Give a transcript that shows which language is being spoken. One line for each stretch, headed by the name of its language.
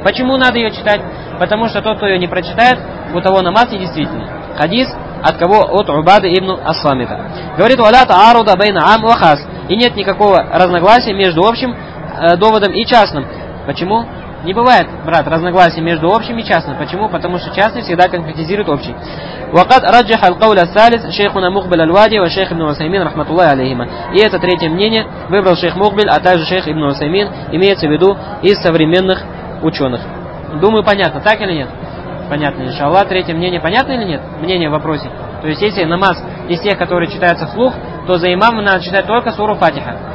Russian: Почему надо ее читать? Потому что тот, кто ее не прочитает, у того намаз не действительный. Хадис от кого? От Убады ибн Асламита. Говорит,
Arabic: валя та'аруда байна ам ва хас.
Russian: И нет никакого разногласия между общим доводом и частным. Почему? Не бывает, брат, разногласий между общим и частным. Почему? Потому что частный всегда конкретизирует общий.
Arabic: وقد رجح القول الثالث شيخنا مقبل الوادي وشيخ ابن عثيمين رحمة الله عليهما.
Russian: И это третье мнение выбрал шейх Мукбель, а также шейх Ибн Усаймин, имеется в виду из современных ученых. Думаю, понятно, так или нет? Понятно, иншаллах. Третье мнение понятно или нет? Мнение в вопросе. То есть, если намаз из тех, которые читаются вслух, то за имамом надо читать только суру Фатиха.